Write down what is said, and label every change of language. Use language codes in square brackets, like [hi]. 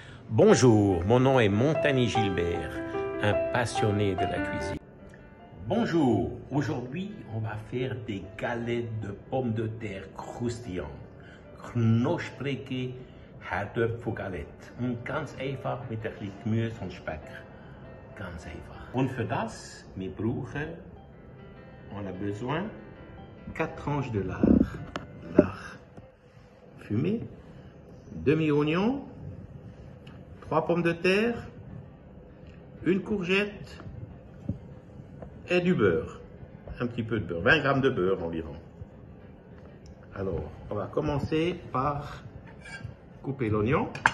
[fr] Bonjour, mon nom est Montani Gilbert, un passionné de la cuisine. Bonjour, aujourd'hui on va faire des galettes de pommes de terre croustillantes. [de] Knospreke Härtöpfelgalette. Und ganz einfach mit ein bisschen Gemüse und Speck. Ganz einfach. Und für das, wir brauchen, [fr] on a besoin, 4 tranches de lard. Lard fumé, demi-oignon, 3 pommes de terre, une courgette et du beurre. Un petit peu de beurre, 20 grammes de beurre environ. Alors, on va commencer par couper l'oignon.